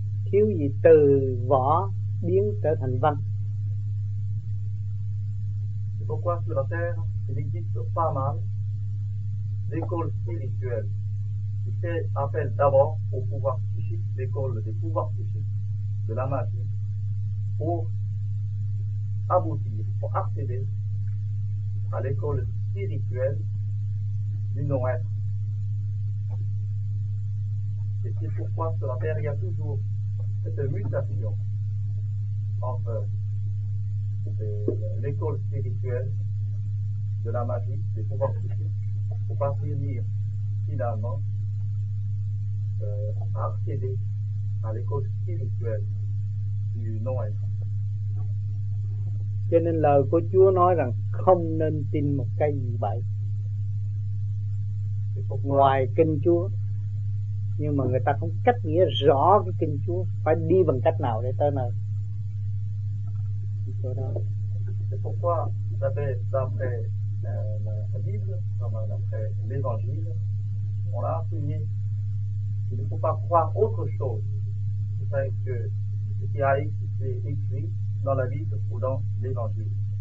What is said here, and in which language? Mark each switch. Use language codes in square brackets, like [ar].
[vi] Thiếu gì từ vỏ biến trở thành văn. [fr] C'est pourquoi sur la Terre, il existe pas mal d'écoles spirituelles qui fait appel d'abord au pouvoir psychique, l'école des pouvoirs psychiques, de la magie, pour aboutir, pour accéder à l'école spirituelle du non-être. Et c'est pourquoi sur la Terre, il y a toujours cette mutation entre l'école spirituelle de la magie, des pouvoirs psychiques, pour parvenir finalement à accéder à l'école spirituelle du non-être. [vi] Cho nên lời của Chúa nói rằng không nên tin một cái gì bậy ngoài kinh Chúa. Nhưng mà người ta không cách nghĩa rõ cái kinh Chúa phải đi bằng cách nào để tới nơi. Chỗ đó. [fr] C'est pourquoi d'après la Bible, d'après l'Évangile, on a enseigné qu'il ne faut pas croire autre chose que ce qui a été écrit dans la Bible ou dans l'Évangile.